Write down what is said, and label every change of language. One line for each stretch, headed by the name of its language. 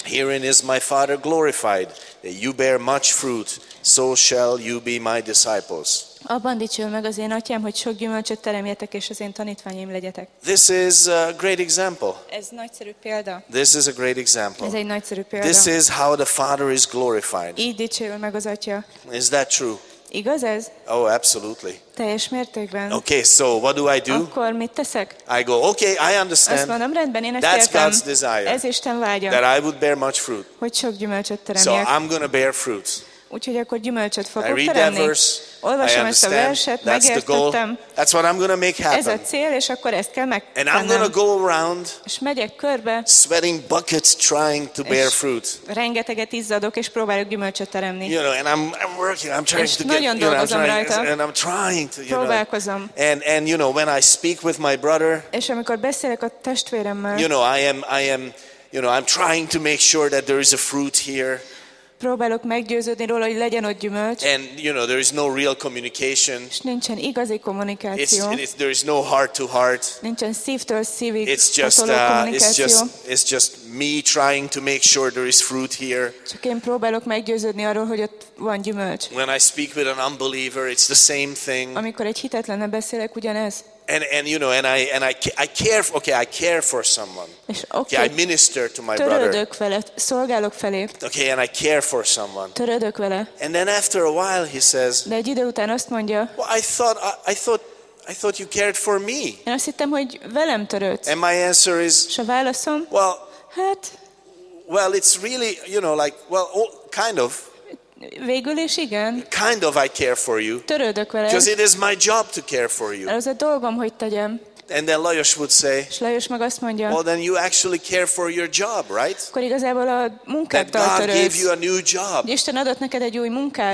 English: Herein is my Father glorified, that you bear much fruit, so shall you be my disciples.
Hungarian: Abban dicsül meg az én atyám, hogy sok gyümölcsöt teremjetek, és az én tanítványaim legyetek.
English: This is a great example.
Hungarian: Ez nagyszerű példa.
English: This is a great example.
Hungarian: Ez egy nagyszerű példa.
English: This is how the Father is glorified.
Hungarian: Így dicsül meg az atya.
English: Is that true?
Hungarian: Igaz ez?
English: Oh, absolutely.
Hungarian: Teljes mértékben.
English: Okay, so what do I do?
Hungarian: Akkor mit teszek?
English: I go, okay, I understand.
Hungarian: Azt mondom, rendben, én ezt
English: That's
Hungarian: értem.
English: God's desire.
Hungarian: Ez Isten vágya.
English: That I would bear much fruit.
Hungarian: Hogy sok gyümölcsöt teremjek.
English: So I'm going to bear fruit.
Hungarian: Úgyhogy akkor gyümölcset fogok teremni.
English: I read
Hungarian: teremni.
English: That verse.
Hungarian: Olvasom ezt a verset, megértettem.
English: That's what I'm going to make happen.
Hungarian: Ez a cél, és akkor ezt kell megtennem.
English: And I'm going to go around.
Hungarian: És megyek körbe.
English: Sweating buckets trying to bear fruit.
Hungarian: Rengeteget izzadok, és próbálok gyümölcsöt teremni.
English: You know, and I'm working, I'm trying
Hungarian: és
English: to
Hungarian: nagyon
English: get,
Hungarian: dolgozom
English: you know, I'm trying,
Hungarian: rajta.
English: And I'm trying to, you
Hungarian: próbálkozom.
English: Know. And you know, when I speak with my brother.
Hungarian: És amikor beszélek a testvéremmel.
English: You know, I am, you know, I'm trying to make sure that there is a fruit here.
Hungarian: Próbálok meggyőződni róla, hogy legyen ott gyümölcs.
English: And you know, there is no real communication.
Hungarian: És nincsen igazi kommunikáció.
English: There is no heart to heart.
Hungarian: Nincsen szívtől szívig.
English: It's just it's just me trying to make sure there is fruit here.
Hungarian: Csak én próbálok meggyőződni arról, hogy ott van gyümölcs.
English: When I speak with an unbeliever, it's the same thing.
Hungarian: Amikor egy hitetlennel beszélek, ugyanez.
English: And you know, I care for someone. Okay, I minister to my
Hungarian: törődök
English: brother.
Hungarian: Törődök vele, szolgálok felé.
English: Okay, and I care for someone.
Hungarian: Törődök vele.
English: And then after a while he says,
Hungarian: de egy idő után azt mondja,
English: well, I thought you cared for me.
Hungarian: Én azt hittem, hogy velem törődsz.
English: And my answer is,
Hungarian: s a válaszom,
English: well,
Hungarian: hát,
English: well, it's really, you know, like, well, kind of.
Hungarian: Végül is igen.
English: Kind of I care for you.
Hungarian: Törődök vele.
English: Because it is my job to care for you.
Hungarian: Ez a dolgom, hogy tegyem.
English: And then Lajos would say,
Hungarian: és Lajos meg azt mondja,
English: well, then you actually care for your job, right?
Hungarian: Akkor igazából a munkát törődsz.
English: That God gave you a new job.
Hungarian: Isten adott neked egy új munkát.